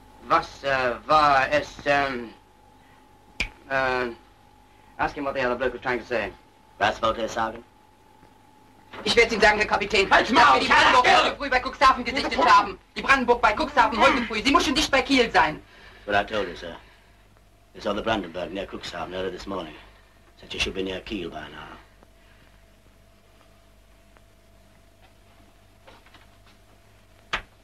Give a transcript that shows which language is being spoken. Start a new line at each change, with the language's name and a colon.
German: Was war es,
English: ask him what the other bloke was trying to say.
German: Was wollte er sagen? Ich werde es Ihnen sagen, Herr Kapitän. Halt's Maul! Dass wir die Brandenburg heute früh bei Cuxhaven gesichtet haben. Die Brandenburg bei Cuxhaven heute früh. Sie muss schon dicht bei Kiel sein.
English: But I told you, sir. They saw the Brandenburg near Cuxhaven early this morning. Said she should be near Kiel by now.